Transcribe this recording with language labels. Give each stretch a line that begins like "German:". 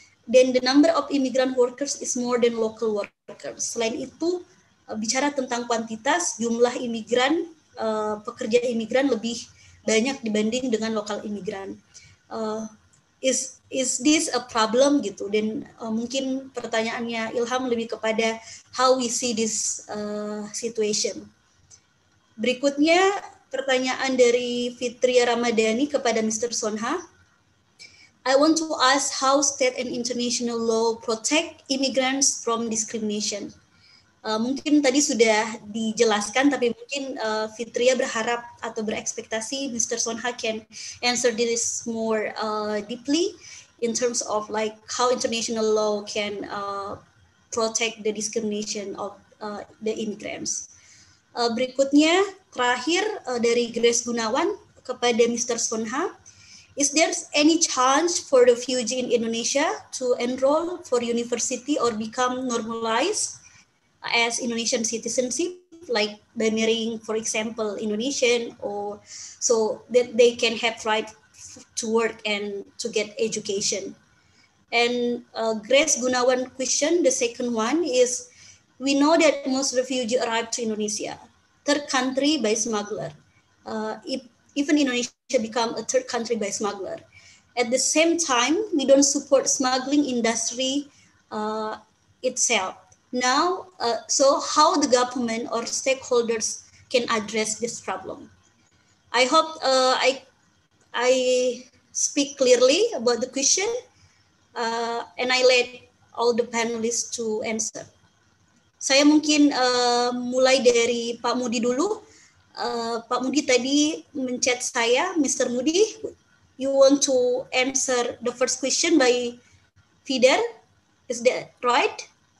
English: Then the number of immigrant workers is more than local workers.
Indonesian: Selain itu, bicara tentang kuantitas, jumlah imigran, pekerja imigran lebih banyak dibanding dengan lokal imigran.
English: Is this a problem
Indonesian: gitu? Dan mungkin pertanyaannya Ilham lebih kepada
English: how we see this situation.
Indonesian: Berikutnya pertanyaan dari Fitria Ramadhani kepada Mr. Sonha.
English: I want to ask how state and international law protect immigrants from discrimination.
Indonesian: Mungkin tadi sudah dijelaskan, tapi mungkin Fitria berharap atau berekspektasi Mr.
English: Sonha can answer this more deeply in terms of like how international law can protect the discrimination of the immigrants.
Indonesian: Berikutnya, terakhir dari Grace Gunawan kepada Mr. Sonha.
English: Is there any chance for the refugee in Indonesia to enroll for university or become normalized as Indonesian citizenship, like by marrying, for example, Indonesian, or so that they can have right to work and to get education? And Grace Gunawan question, the second one is, we know that most refugees arrive to Indonesia, third country by smuggler. Even Indonesia become a third country by smuggler. At the same time, we don't support smuggling industry itself. Now, so how the government or stakeholders can address this problem? I hope I speak clearly about the question, and I let all the panelists to answer.
Indonesian: Saya mungkin mulai dari Pak Mudi dulu. Pak Mudi tadi mencet saya, Mr.
English: Mudi, you want to answer the first question by Fidel, is that right?